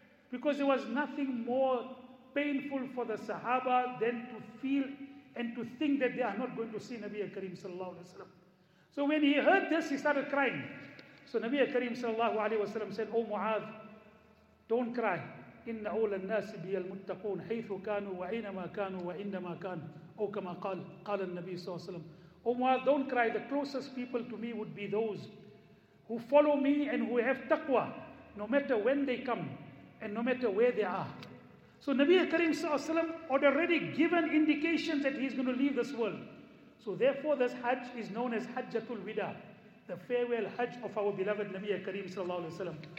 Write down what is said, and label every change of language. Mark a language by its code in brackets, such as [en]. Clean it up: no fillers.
[en] Because there was nothing more painful for the Sahaba than to feel and to think that they are not going to see Nabi Karim sallallahu alayhi wa sallam. So when he heard this, he started crying. So Nabi Karim sallallahu alayhi wa sallam said, Oh Mu'adh, don't cry. [ar] إن أول الناس بي المتقون حيث كانوا وأينما كانوا وإنما كانوا أو كما قال قال النبي صلى الله عليه وسلم. [en] O Mu'adh, don't cry. The closest people to me would be those who follow me and who have taqwa, no matter when they come and no matter where they are. So Nabi Karim صلى الله عليه وسلم had already given indications that he's going to leave this world. So therefore, this Hajj is known as Hajjatul Wida, the farewell Hajj of our beloved Nabi Karim صلى الله عليه وسلم.